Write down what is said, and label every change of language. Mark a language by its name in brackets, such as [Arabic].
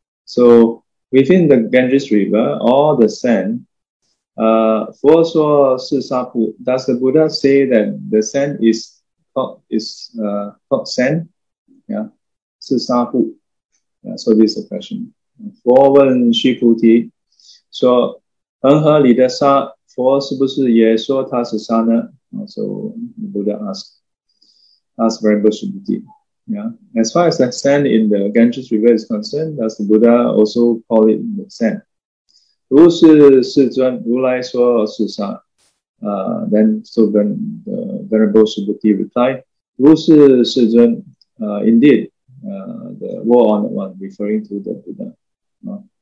[English] So within the Ganges River, all the sand, does the Buddha say that the sand is called sand? Yeah. [Chinese] 四沙布. [English] Yeah, so this is a question. [Chinese] 佛问须菩提, so 恒河里的沙, 佛是不是也说它是沙呢? [English] So the Buddha asked Vairabhasubhuti. Yeah. As far as the sand in the Ganges River is concerned, does the Buddha also call it the sand? [Chinese] 如是世尊如来说是沙, [English] then so then the Venerable Subhuti replied, [Chinese] 如是世尊, [English] indeed, the War Honored One, referring to the Buddha.